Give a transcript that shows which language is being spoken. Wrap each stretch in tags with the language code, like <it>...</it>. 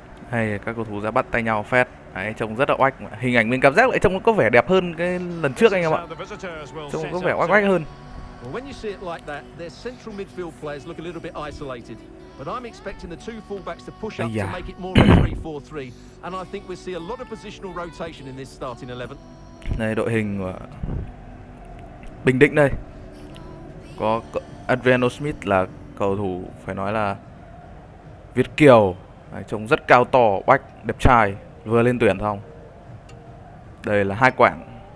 <vi>Hay các cầu thủ ra bắt tay nhau phét. Đấy, trông rất là oách. Hình ảnh mình cảm giác lại trông có vẻ đẹp hơn cái lần trước anh em ạ. Trông có vẻ oách oách hơn.</vi> <en>When you see it like that, their central midfield players look a little bit isolated. But I'm expecting the two fullbacks to push up to make it more of a 3-4-3 and I think we'll see a lot of positional rotation in this starting 11.</en> <vi>Này đội hình của Bình Định đây. Có Adriano Smith là cầu thủ phải nói là Việt kiều. Đấy, trông rất cao to, oách, đẹp trai. Vừa lên tuyển xong. Đây là hai quảng.</vi>